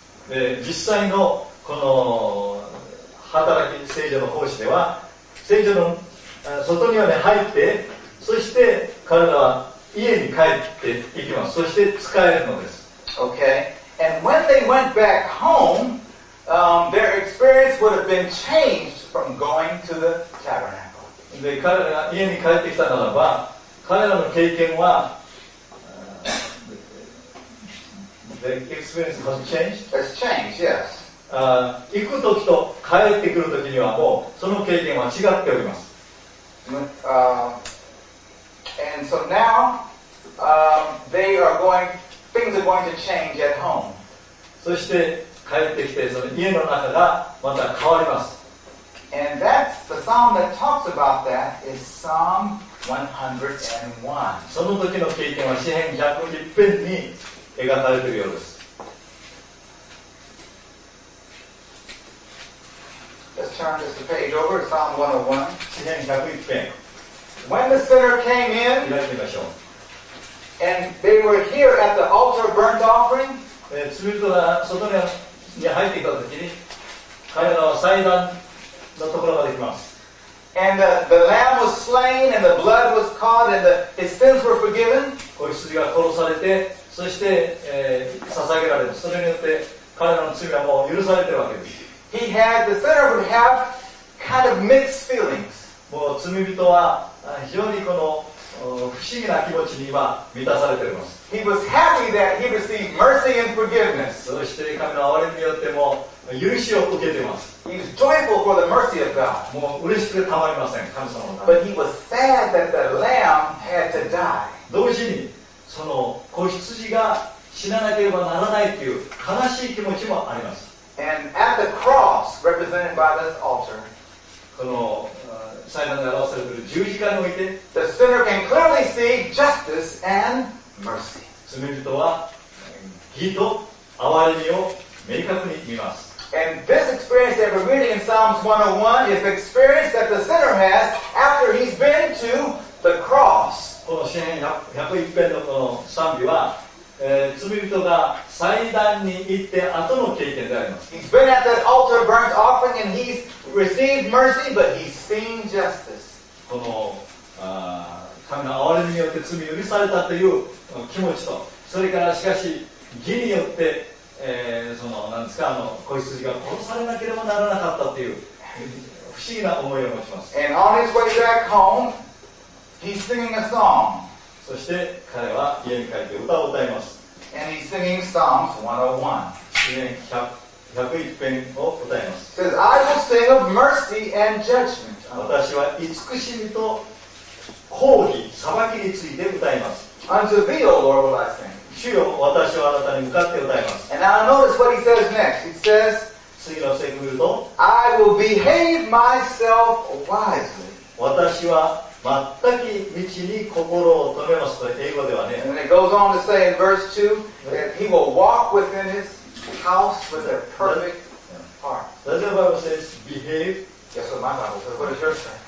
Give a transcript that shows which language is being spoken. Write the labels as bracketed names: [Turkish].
[Japanese] で実際のこの働き聖女の奉仕では聖女の外庭に入ってそして彼らは家に帰っていきますそして使えるのです [English] OK and when they went back home、their experience would have been changed from going to the tabernacle [Japanese] で彼らが家に帰ってきたならば彼らの経験は [English] The experience has changed. Has changed, yes. [Japanese] 行くときと帰ってくるときにはもうその経験は違っております。 [English] And so now, they are going. Things are going to change at home. [Japanese] そして帰ってきてその家の中がまた変わります。 [English] And that's the psalm that talks about that is Psalm 101. [Japanese] その時の経験は詩編101編に。描かれているようです。 [English] Let's turn this page over to Psalm 101. [Japanese] 詩編101編。 [English] When the sinner came in, [Japanese] 開いてみましょう。 [English] And they were here at the altar burnt offering. [Japanese] 罪人が外に入ってきたときに、彼らは祭壇のところまで行きます。 [English] And the lamb was slain, and the blood was caught, and his sins were forgiven. [Japanese] 子羊が殺されて、そして、捧げられる。それによって彼らの罪はもう許されているわけです。 [English] He had, the sinner would have kind of mixed feelings. [Japanese] もう罪人は非常にこの不思議な気持ちに今満たされています。 [English] He was happy that he received mercy and forgiveness. [Japanese] そして神の憐れみによっても許しを受けています。 [English] He was joyful for the mercy of God. [Japanese] もう嬉しくてたまりません、神様のため。 [English] But he was sad that the lamb had to die. [Japanese] 同時に、その子羊が死ななければならないという悲しい気持ちもあります。 [English] And at the cross, represented by this altar, [Japanese] この祭壇で表されている十字架において、 [English] the sinner can clearly see justice and mercy. [Japanese] 罪人は義と憐れみを明確に見ます。 [English] And this experience that we're reading in Psalms 101 is the experience that the sinner has after he's been to the cross. [Japanese] この詩編101編のこの賛美は、罪人が祭壇に行って後の経験であります。 [English] He's been at the altar burnt offering and he's received mercy, but he's seen justice. [Japanese] この神の憐れみによって罪を許されたという気持ちと、それからしかし義によって、その何ですか、子羊が殺されなければならなかったという不思議な思いを持ちます。 [English] And on his way back home,He's singing a song. [Japanese] そして彼は家に帰って歌を歌います。 [English] And he's singing Psalms 101. [Japanese] 詩編101編を歌います。 [English] Says, I will sing of mercy and judgment. [Japanese] 私は慈しみと公義、裁きについて歌います。 [English] Unto thee, O Lord, will I sing. [Japanese] 主よ、私はあなたに向かって歌います。 [English] And now notice what he says next. He says, [Japanese] 次の聖句を見ると、 [English] I will behave myself wisely. [Japanese] 私は全く道に心を止めますと英語ではね。 [English] And it goes on to say in verse 2 that he will walk within his house with a perfect heart. Does your Bible say behave? Yes, my Bible says. What does yours say?